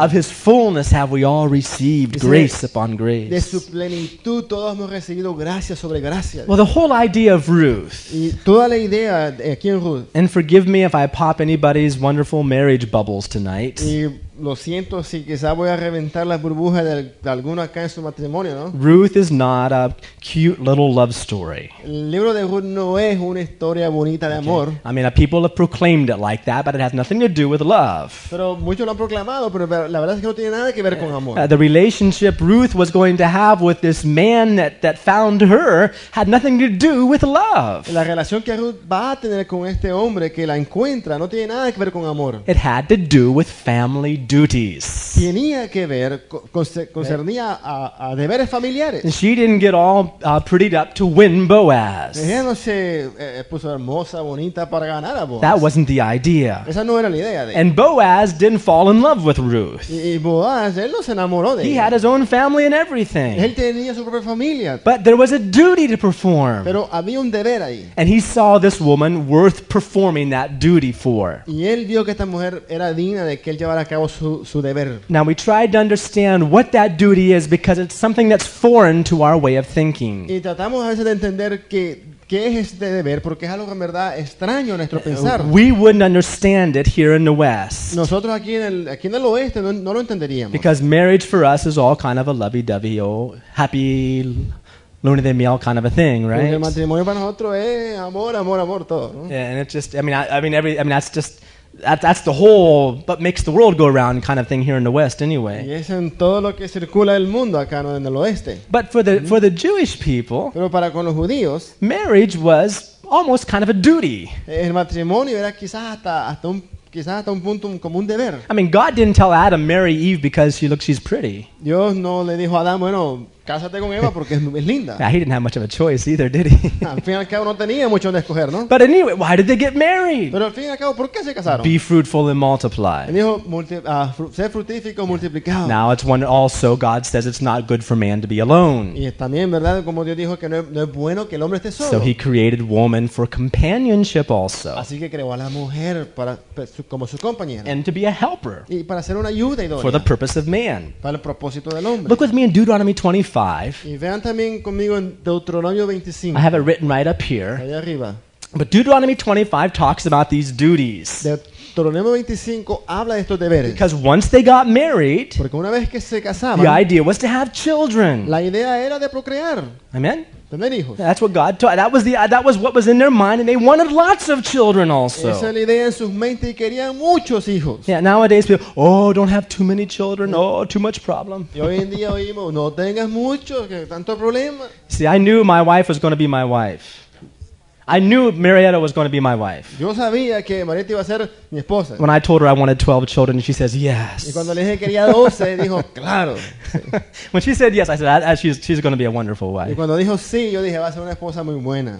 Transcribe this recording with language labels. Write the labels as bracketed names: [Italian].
[English] Of his fullness have we all received grace upon grace. [Spanish] De su plenitud todos hemos recibido gracia sobre gracia. [English] Well, the whole idea of Ruth. [Spanish] Y toda la idea aquí en Ruth. [English] And forgive me if I pop anybody's wonderful marriage bubbles tonight. [Spanish] Y lo siento si quizá voy a reventar las burbujas de alguno acá en su matrimonio, ¿no? [English] Ruth is not a cute little love story. [Spanish] El libro de Ruth no es una historia bonita de amor. [English] Okay. I mean, people have proclaimed it like that, but it has nothing to do with love. [Spanish] Pero muchos lo han proclamado, pero la verdad es que no tiene nada que ver con amor. [English] The relationship Ruth was going to have with this man that found her had nothing to do with love. [Spanish] La relación que Ruth va a tener con este hombre que la encuentra no tiene nada que ver con amor. [English] It had to do with family duties. [Spanish] Tenía que ver, concernía a deberes familiares. [English] And she didn't get all prettied up to win Boaz. [Spanish] Ella no se puso hermosa, bonita para ganar a Boaz. [English] That wasn't the idea. [Spanish] Esa no era la idea. [English] And Boaz didn't fall in love with Ruth. [Spanish] Y Boaz, él no se enamoró de [English] he [Spanish] ella. [English] Had his own family and everything. [Spanish] Él tenía su propia familia. [English] But there was a duty to perform. [Spanish] Pero había un deber ahí. [English] And he saw this woman worth performing that duty for. [Spanish] Y él vio que esta mujer era digna de que él llevara a cabo. [English] Now we tried to understand what that duty is because it's something that's foreign to our way of thinking. [Spanish] Y tratamos a veces de entender qué es este deber porque es algo en verdad extraño a nuestro pensar. [English] We wouldn't understand it here in the West. [Spanish] Nosotros aquí en el oeste no lo entenderíamos. [English] Because marriage for us is all kind of a lovey-dovey, oh, happy [Spanish] luna de miel [English] kind of a thing, right? [Spanish] Porque el matrimonio para nosotros es amor, amor, amor, todo. [English] Yeah, and it's just, I mean, that's just That's the whole but makes the world go around kind of thing here in the West anyway. [Spanish] Y es en todo lo que circula el mundo acá en el oeste. [English] But for the Jewish people, [Spanish] pero para con los judíos, [English] marriage was almost kind of a duty. [Spanish] El matrimonio era quizás hasta un punto como un deber. [English] I mean, God didn't tell Adam marry Eve because she's pretty. [Spanish] Dios no le dijo a Adán, bueno, cásate con Eva porque es linda. [English] Yeah, he didn't have much of a choice either, did he? [Spanish] Al fin y al cabo no tenía mucho de escoger, ¿no? [English] But anyway, why did they get married? [Spanish] Pero al fin y al cabo, ¿por qué se casaron? [English] Be fruitful and multiply. [Spanish] Dijo, ser fructífico, multiplicado. [English] Now it's one. Also, God says it's not good for man to be alone. [Spanish] Y también, ¿verdad? Como Dios dijo que no es bueno que el hombre esté solo. [English] So he created woman for companionship also. [Spanish] Así que creó a la mujer para como su compañera. [English] And to be a helper. [Spanish] Y para ser una ayuda idónea. [English] For the purpose of man. [Spanish] Para el propósito del hombre. [English] Look with me in Deuteronomy 25. [Spanish] Y vean también conmigo en Deuteronomio 25. [English] I have it written right up here. [Spanish] Allá arriba. [English] But Deuteronomy 25 talks about these duties. [Spanish] Deuteronomio 25 habla de estos deberes. [English] Because once they got married, [Spanish] porque una vez que se casaban, [English] the idea was to have children. [Spanish] La idea era de procrear. [English] Amen. [Spanish] Tener hijos. [English] That's what God taught. That was what was in their mind, and they wanted lots of children also. [Spanish] Esa es la idea en sus mentes, y querían muchos hijos. [English] Yeah, nowadays people, don't have too many children. Oh, too much problem. [Spanish] Y hoy en día oímos, no tengas muchos, que tanto problema. [English] See, I knew my wife was going to be my wife. I knew Marietta was going to be my wife. [Spanish] Yo sabía que Marietta iba a ser mi esposa. [English] When I told her I wanted 12 children, she says, yes. [Spanish] Y cuando le dije que quería 12, dijo, claro. [English] When she said yes, I said, she's going to be a wonderful wife. [Spanish] Y cuando dijo sí, yo dije, va a ser una esposa muy buena.